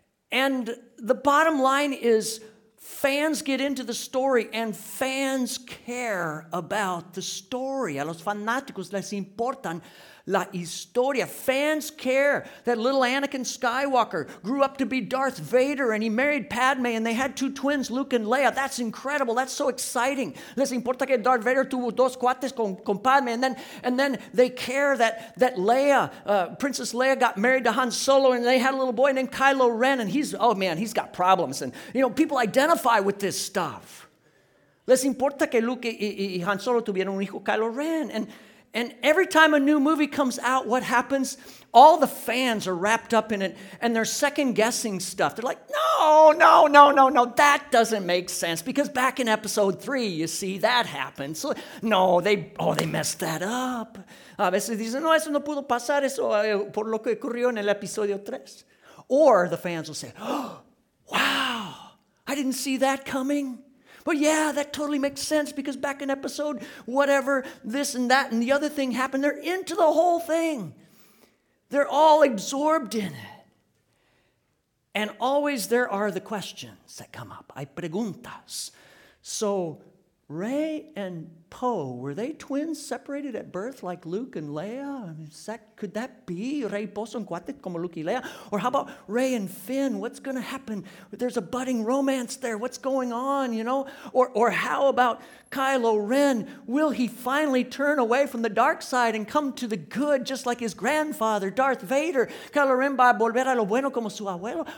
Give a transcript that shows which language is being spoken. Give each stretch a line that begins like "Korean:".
English: And the bottom line is fans get into the story and fans care about the story.
Spanish: A los fanáticos les importan la historia.
English: Fans care that little Anakin Skywalker grew up to be Darth Vader and he married Padme and they had two twins, Luke and Leia. That's incredible. That's so exciting.
Spanish: Les importa que Darth Vader tuvo dos cuates con Padme.
English: And then they care that Leia, Princess Leia, got married to Han Solo and they had a little boy named Kylo Ren and he's, oh man, he's got problems. And, you know, people identify with this stuff.
Spanish: Les importa que Luke y Han Solo tuvieron un hijo, Kylo Ren.
English: And every time a new movie comes out, what happens? All the fans are wrapped up in it, and they're second-guessing stuff. They're like, no, that doesn't make sense, because back in episode 3, you see, that happened. So, no, they messed that up.
Spanish: A veces dicen, no, eso no pudo pasar, eso por lo que ocurrió en el episodio 3.
English: Or the fans will say, oh, wow, I didn't see that coming. But yeah, that totally makes sense because back in episode whatever, this and that and the other thing happened. They're into the whole thing. They're all absorbed in it. And always there are the questions that come up.
Spanish: Hay preguntas.
English: So Rey and Poe, were they twins separated at birth like Luke and Leia? I mean, could that be?
Spanish: Rey y Poe son cuates como Luke y Leia?
English: Or how about Rey and Finn? What's going to happen? There's a budding romance there. What's going on, you know? Or how about Kylo Ren? Will he finally turn away from the dark side and come to the good just like his grandfather, Darth Vader?
Spanish: Kylo Ren va a volver a lo bueno como su abuelo?